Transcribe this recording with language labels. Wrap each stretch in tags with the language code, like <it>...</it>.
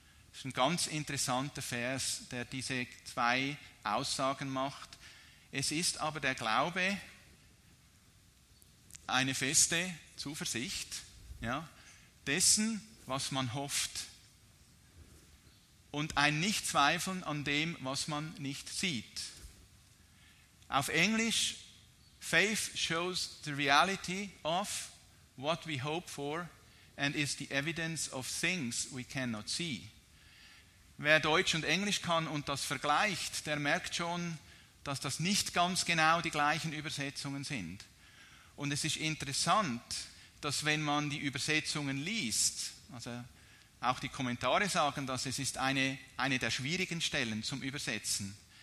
<de>Das ist ein ganz interessanter Vers, der diese zwei Aussagen macht. Es ist aber der Glaube eine feste Zuversicht, ja, dessen, was man hofft. Und ein Nichtzweifeln an dem, was man nicht sieht. Auf Englisch,</de> <en>faith shows the reality of what we hope for and is the evidence of things we cannot see.</en> <de>Wer Deutsch und Englisch kann und das vergleicht, der merkt schon, dass das nicht ganz genau die gleichen Übersetzungen sind. Und es ist interessant, dass wenn man die Übersetzungen liest, also auch die Kommentare sagen, dass es ist eine der schwierigen Stellen zum Übersetzen.</de>